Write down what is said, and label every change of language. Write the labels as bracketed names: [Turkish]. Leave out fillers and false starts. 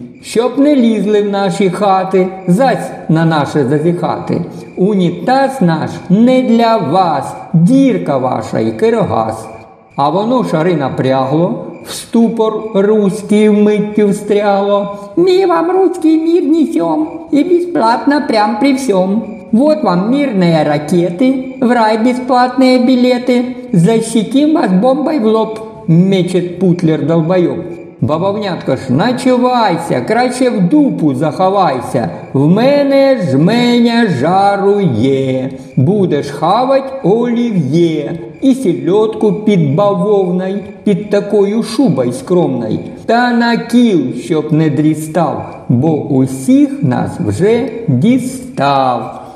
[Ukrainian] Щоб не лізли в наші хати, зась на наше зазіхати. Унітаз наш не для вас, дірка ваша і киргаз. А воно шари напрягло, в ступор руський миттю встрягло. Ми вам руський мір несем, і безплатно прям при всьому. [Russian] Вот вам мирные ракеты, в рай бесплатные билеты. Защитим вас бомбой в лоб, мечет путлер долбоёб. [Ukrainian] Бавовнятко ж, начувайся, краще в дупу заховайся. В мене жменя жарує, будеш хавать олів'є. І сельодку під бавовной, під такою шубой скромной. Та на кіл, щоб не дрістав, бо усіх нас вже дістав.